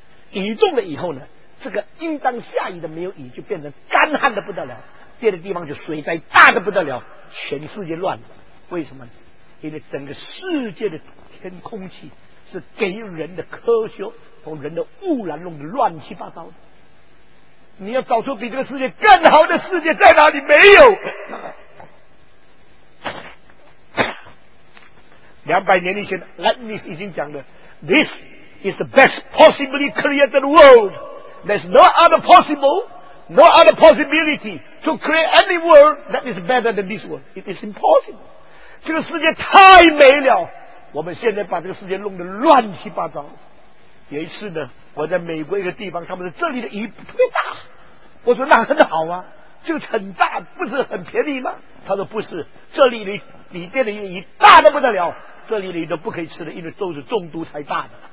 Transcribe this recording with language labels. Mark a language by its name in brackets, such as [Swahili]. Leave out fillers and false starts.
[Chinese] 移动了以后呢，这个应当下雨的没有雨，就变成干旱的不得了，别的地方就水灾大的不得了，全世界乱了。为什么？因为整个世界的天空气是给人的科学和人的污染弄得乱七八糟的。你要找出比这个世界更好的世界在哪里？没有。 200年以前 Leibniz 已经讲了， [English] This is the best possibly created world. There's no other possible, no other possibility to create any world that is better than this world. It is impossible. [Chinese] 这个世界太美了，我们现在把这个世界弄得乱七八糟。有一次呢，我在美国一个地方，他们说这里的鱼特别大，我说那很好啊，就很大，不是很便宜吗？他说不是，这里的里边的鱼大得不得了，这里的鱼都不可以吃的，因为都是中毒才大的。